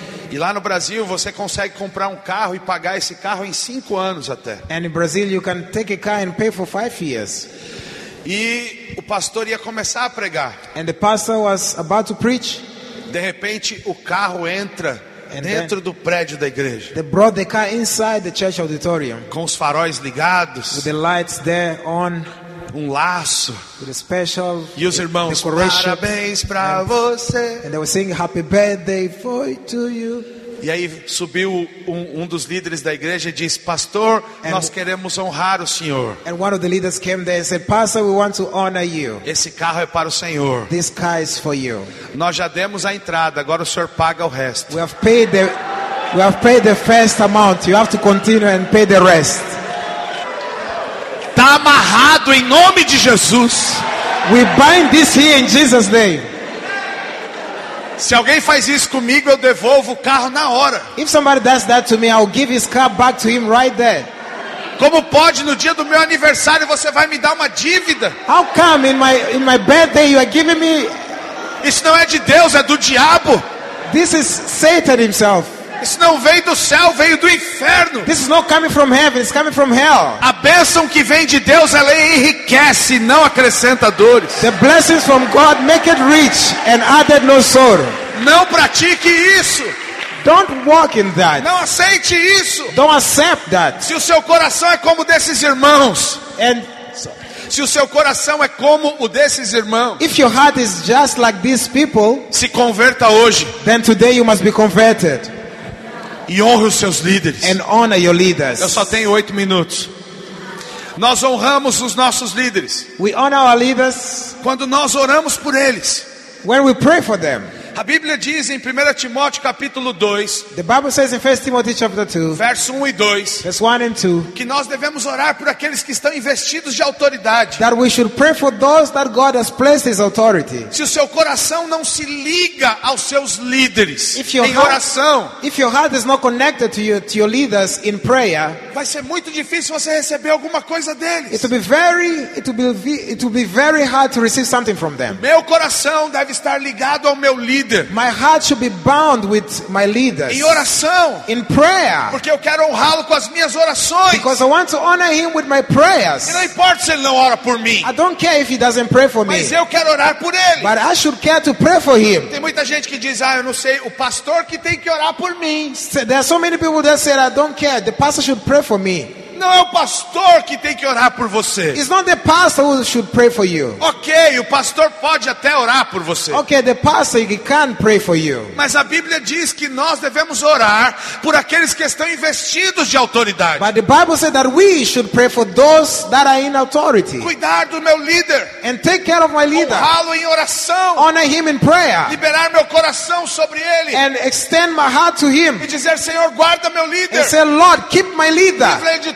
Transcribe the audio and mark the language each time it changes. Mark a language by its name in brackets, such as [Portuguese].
[Portuguese] E lá no Brasil você consegue comprar um carro e pagar esse carro em 5 anos até. [English] And in Brazil you can take a car and pay for 5 years. [Portuguese] E o pastor ia começar a pregar. [English] And the pastor was about to preach. [Portuguese] De repente o carro entra and dentro do prédio da igreja. [English] They brought the car inside the church auditorium. [Portuguese] Com os faróis ligados. [English] With the lights there on. [Portuguese] Um laço. [English] With a special. [Portuguese] E os irmãos, parabéns para você. [English] And they were singing happy birthday for to you. [Portuguese] E aí subiu um dos líderes da igreja e disse, pastor, [English] and [Portuguese] nós queremos honrar o senhor. [English] And one of the leaders came there and said, pastor, we want to honor you. [Portuguese] Esse carro é para o senhor. [English] This car is for you. [Portuguese] Nós já demos a entrada, agora o senhor paga o resto. [English] We have paid the first amount. You have to continue and pay the rest. [Portuguese] Está amarrado em nome de Jesus. [English] We bind this here in Jesus' name. [Portuguese] Se alguém faz isso comigo, eu devolvo o carro na hora. [English] If somebody does that to me, I'll give his car back to him right there. [Portuguese] Como pode no dia do meu aniversário você vai me dar uma dívida? [English] How come in my birthday you are giving me? [Portuguese] Isso não é de Deus, é do diabo. [English] This is Satan himself. [Portuguese] Isso não veio do céu, veio do inferno. [English] This is not coming from heaven, it's coming from hell. [Portuguese] A bênção que vem de Deus, ela enriquece, não acrescenta dores. [English] The blessings from God make it rich and added no sorrow. [Portuguese] Não pratique isso. [English] Don't walk in that. [Portuguese] Não aceite isso. [English] Don't accept that. [Portuguese] Se o seu coração é como desses irmãos, se o seu coração é como o desses irmãos, [English] if your heart is just like these people, [Portuguese] se converta hoje. [English] Then today you must be converted. [Portuguese] E honre os seus líderes. [English] And honor your leaders. [Portuguese] Eu só tenho 8 minutos. Nós honramos os nossos líderes. [English] We honor our leaders. [Portuguese] Quando nós oramos por eles. [English] When we pray for them. [Portuguese] A Bíblia diz em 1 Timóteo capítulo 2. [English] The Bible says in 1 Timothy chapter 2. [Portuguese] Verso 1 e 2. [English] Verse 1 and 2. [Portuguese] Que nós devemos orar por aqueles que estão investidos de autoridade. [English] That we should pray for those that God has placed his authority. [Portuguese] Se o seu coração não se liga aos seus líderes em oração. [English] If your heart is not connected to your leaders in prayer. [Portuguese] vai ser muito difícil você receber alguma coisa deles. [English] It will be very hard to receive something from them. [Portuguese] Meu coração deve estar ligado ao meu líder. [English] My heart should be bound with my leaders. [Portuguese] Em oração. [English] In prayer. [Portuguese] Porque eu quero honrá-lo com as minhas orações. [English] Because I want to honor him with my prayers. [Portuguese] E não importa se ele não ora por mim. [English] I don't care if he doesn't pray for me. [Portuguese] Mas eu quero orar por ele. [English] But I should care to pray for him. [Portuguese] Tem muita gente que diz, ah, eu não sei, o pastor que tem que orar por mim. [English] There are so many people that say, I don't care, the pastor should pray for me. [Portuguese] Não é o pastor que tem que orar por você. [English] It's not the pastor who should pray for you. [Portuguese] Okay, o pastor pode até orar por você. [English] Okay, the pastor can pray for you. [Portuguese] Mas a Bíblia diz que nós devemos orar por aqueles que estão investidos de autoridade. [English] But the Bible says that we should pray for those that are in authority. [Portuguese] Cuidar do meu líder. [English] And take care of my leader. [Portuguese] Honrá-lo em oração. [English] Honor him in prayer. [Portuguese] Liberar meu coração sobre ele. [English] And extend my heart to him. [Portuguese] E dizer, Senhor, guarda meu líder. [English] And say, Lord, keep my leader.